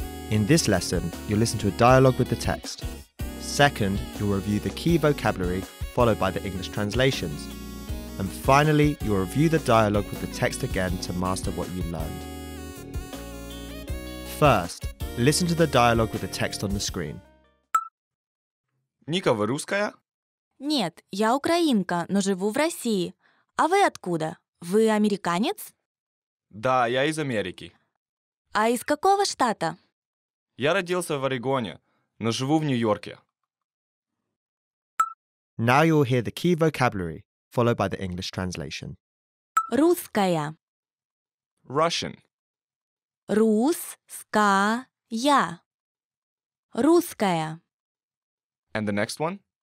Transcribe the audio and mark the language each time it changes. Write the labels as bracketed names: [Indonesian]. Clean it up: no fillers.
[English] In this lesson, you'll listen to a dialogue with the text. Second, you'll review the key vocabulary followed by the English translations. And finally, you'll review the dialogue with the text again to master what you learned. First, listen to the dialogue with the text on the screen. [Russian] Ника, вы русская? Нет, я украинка, но живу в России. А вы откуда? Вы американец? Да, я из Америки. А из какого штата? Я родился в Орегоне, но живу в Нью-Йорке. [English] Now you'll hear the key vocabulary, followed by the English translation. [Russian] Русская. [English] Russian. [Russian] Русская. Русская. [English] And the next one?